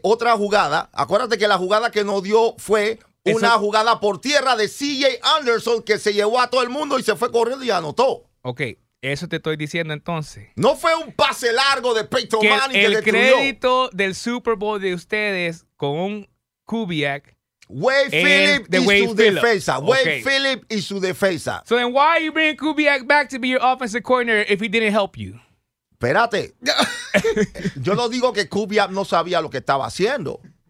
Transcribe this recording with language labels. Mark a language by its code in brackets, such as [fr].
[es] Otra jugada, acuérdate que la jugada que nos dio fue una jugada por tierra de C.J. Anderson que se llevó a todo el mundo y se fue corriendo y anotó. Ok. Eso te estoy diciendo entonces. No fue un pase largo de Peyton Manning que destruyó. El crédito del Super Bowl de ustedes con un Kubiak. Wade Phillip y su defensa. Wade Phillip y su defensa. [en] So then why are you bringing Kubiak back to be your offensive coordinator if he didn't help you? [es] Espérate. Yo no digo que Kubiak no sabía lo que estaba haciendo.